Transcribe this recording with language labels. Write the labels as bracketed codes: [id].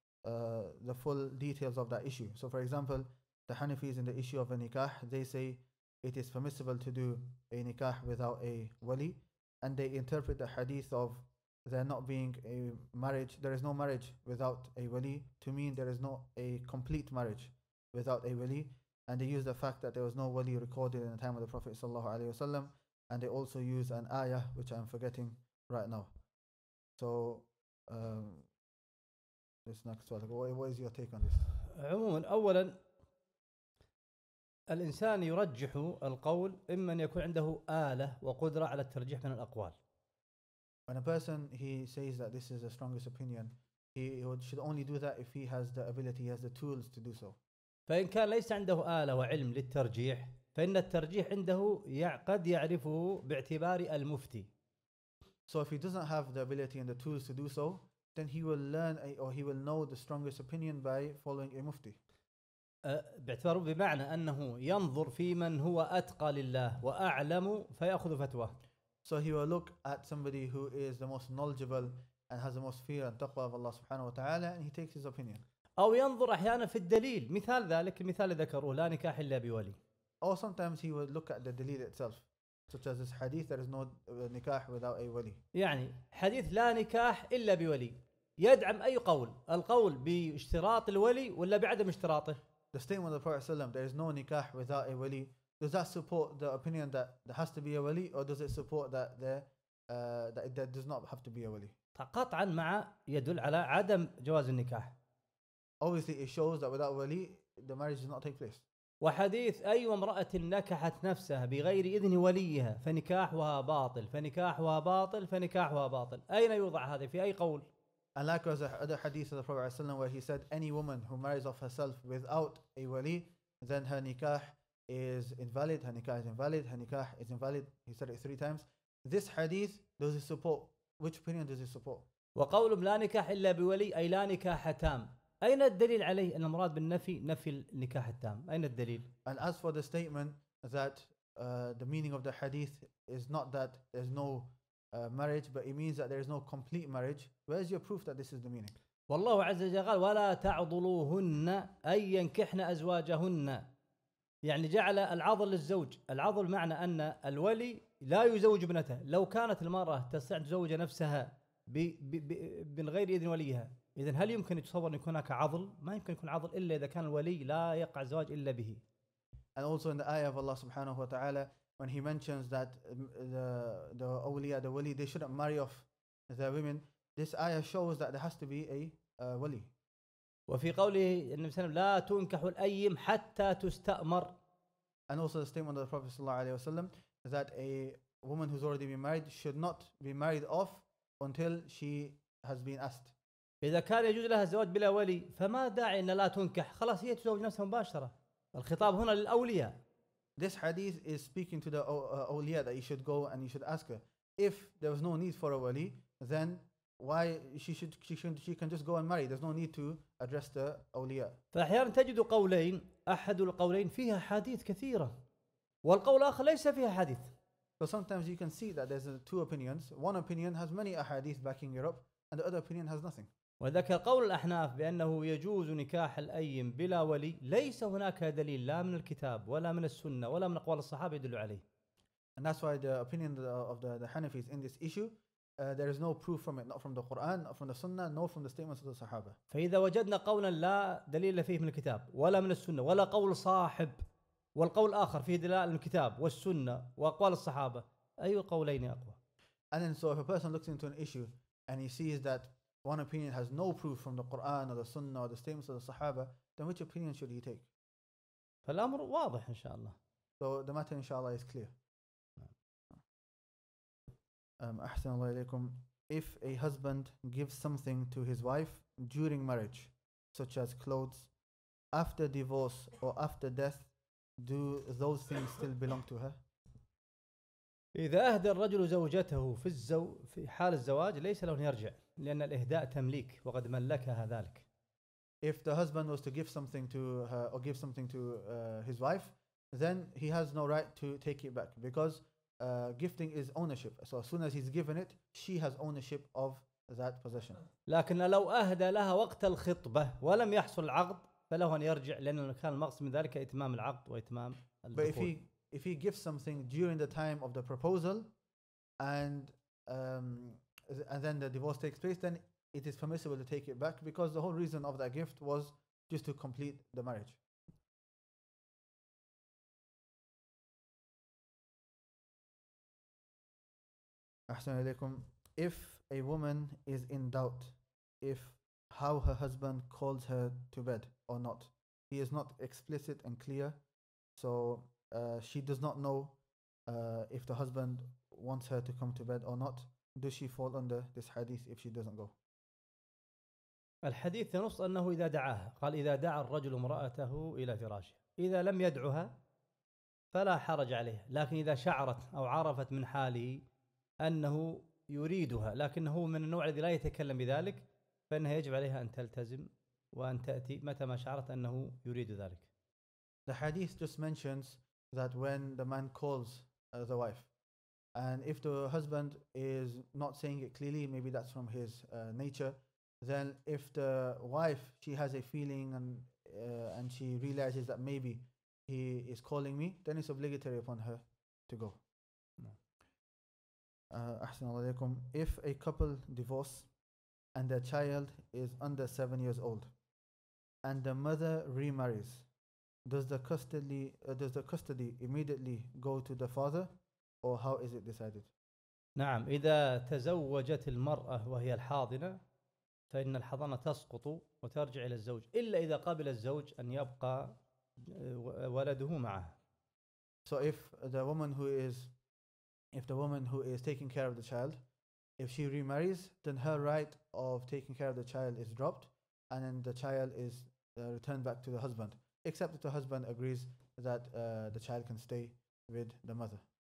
[en] the full details of that issue. So for example, the Hanafis in the issue of a nikah, they say it is permissible to do a nikah without a wali, and they interpret the hadith of there not being a marriage, there is no marriage without a wali, to mean there is not a complete marriage without a wali. And they use the fact that there was no wali recorded in the time of the Prophet sallallahu alaihi wasallam, and they also use an ayah which I'm forgetting right now. So this next one, what is your take on this? [ar] عموما اولا الانسان يرجح القول اما ان يكون عنده آلة وقدرة على الترجيح من الاقوال. [en] When a person he says that this is the strongest opinion, he should only do that if he has the ability, he has the tools to do so. [ar] فإن كان ليس عنده آلة وعلم للترجيح فإن الترجيح عنده قد يعرفه باعتبار المفتي. [en] So if he doesn't have the ability and the tools to do so, then he will learn or he will know the strongest opinion by following a mufti. [ar] باعتباره بمعنى أنه ينظر في من هو أتقى لله وأعلم فيأخذ فتوى. [en] So he will look at somebody who is the most knowledgeable and has the most fear and taqwa of Allah subhanahu wa ta'ala, and he takes his opinion. [ar] أو ينظر أحيانا في الدليل، مثال ذلك المثال ذكره لا نكاح إلا بولي. [en] Or sometimes he will look at the دليل itself, such as this hadith, there is no نكاح without a ولي. [ar] يعني حديث لا نكاح إلا بولي يدعم أي قول، القول باشتراط الولي ولا بعدم اشتراطه. [en] The statement of the Prophet ﷺ, there is no نكاح without a ولي. Does that support the opinion that there has to be a ولي, or does it support that that does not have to be a ولي؟ [ar] قطعا مع يدل على عدم جواز النكاح. [en] Obviously, it shows that without wali, the marriage does not take place. [ar] وحديث أي امرأة نكحت نفسها بغير إذن وليها فنكاحها باطل فنكاحها باطل فنكاحها باطل. أين يوضع هذا في أي قول؟ [en] And like was the other hadith of the Prophet ﷺ where he said, any woman who marries off herself without a wali, then her nikah is invalid. Her nikah is invalid. Her nikah is invalid. He said it three times. This hadith, does it support? Which opinion does it support? [ar] وقول لا نكاح إلا بولي أي لا نكاح تام. أين الدليل عليه أن المراد بالنفي نفي النكاح التام؟ أين الدليل؟ [en] And as for the statement that the meaning of the hadith is not that there's no marriage, but it means that there is no complete marriage, where is your proof that this is the meaning? [ar] والله عز وجل قال ولا تعضلوهن أن ينكحن أزواجهن. يعني جعل العضل للزوج، العضل معنى أن الولي لا يزوج ابنته. لو كانت المرأة تستطيع أن تزوج نفسها من غير إذن وليها، إذن هل يمكن تصور أن يكون هناك عضل؟ ما يمكن يكون عضل إلا إذا كان الولي لا يقع زواج إلا به. [en] And also in the ayah of Allah subhanahu wa ta'ala, when he mentions that the awliya, the wali, they shouldn't marry off their women, this ayah shows that there has to be a wali. [ar] وفي قوله النبي صلى الله عليه وسلم لا تنكح الأيم حتى تستأمر. [en] And also the statement of the Prophet [ar] صلى الله عليه وسلم [en] that a woman who's already been married should not be married off until she has been asked. [ar] إذا كان يجوز لها الزواج بلا ولي فما داعي إن لا تنكح، خلاص هي تزوج نفسها مباشرة. الخطاب هنا للأولياء. [en] This hadith is speaking to the أولياء that you should go and you should ask her. If there was no need for a wali, then why she can just go and marry. There's no need to address the أولياء. [ar] فأحيانا تجد قولين، أحد القولين فيها حديث كثيرة والقول الآخر ليس فيها حديث. [en] But sometimes you can see that there's two opinions. One opinion has many ahadith backing it up, and the other opinion has nothing. [ar] وذكر قول الأحناف بأنه يجوز نكاح الأيم بلا ولي ليس هناك دليل لا من الكتاب ولا من السنة ولا من أقوال الصحابة يدل عليه. [en] And that's why the opinion of the Hanafis in this issue, there is no proof from it, not from the Quran, not from the Sunnah, nor from the statements of the Sahaba. [ar] فإذا وجدنا قولا لا دليل فيه من الكتاب ولا من السنة ولا قول صاحب والقول الآخر فيه دلالة من الكتاب والسنة وأقوال الصحابة، أي قولين أقوى؟ [en] And then, so if a person looks into an issue and he sees that one opinion has no proof from the Quran or the Sunnah or the statements of the Sahaba, then which opinion should he take? [ar] فالأمر واضح إن شاء الله. [en] So the matter [ar] إن شاء الله [en] is clear. [ar] أحسن الله إليكم. [en] If a husband gives something to his wife during marriage, such as clothes, after divorce or after death, do those things still belong to her? [ar] إذا أهدى الرجل زوجته في في حال الزواج ليس له أن يرجع، لأن الإهداء تمليك وقد ملكها ذلك. [en] If the husband was to give something to her or give something to his wife, then he has no right to take it back, because gifting is ownership. So as soon as he's given it, she has ownership of that position. [ar] لكن لو أهدى لها وقت الخطبة ولم يحصل العقد فله أن يرجع لأنه كان المقصد من ذلك إتمام العقد وإتمام الدخول. [en] But if he gives something during the time of the proposal and then the divorce takes place, then it is permissible to take it back because the whole reason of that gift was just to complete the marriage. [ar] أحسن إليكم. [en] If a woman is in doubt if how her husband calls her to bed or not, he is not explicit and clear, so she does not know if the husband wants her to come to bed or not, does she fall under this hadith if she doesn't go? [ar] الحديث ينص أنه إذا دعاها قال إذا دعا الرجل امرأته إلى فراشه إذا لم يدعها فلا حرج عليها لكن إذا شعرت أو عرفت من حاله أنه يريدها لكنه من النوع الذي لا يتكلم بذلك فإنها يجب عليها أن تلتزم وأن تأتي متى ما شعرت أنه يريد ذلك. [en] The hadith just mentions that when the man calls the wife, and if the husband is not saying it clearly, maybe that's from his nature, then if the wife, she has a feeling and she realizes that maybe he is calling me, then it's obligatory upon her to go. [ar] أحسن الله عليكم. [en] If a couple divorce and their child is under 7 years old and the mother remarries, does the custody immediately go to the father or how is it decided? [ar] نعم إذا تزوجت المرأة وهي الحاضنة فإن الحضانة تسقط وترجع إلى الزوج إلا إذا قبل الزوج أن يبقى ولده معه. [en] So if the woman who is taking care of the child, if she remarries, then her right of taking care of the child is dropped, and then the child is returned back to the husband, except if the husband agrees that the child can stay with the mother.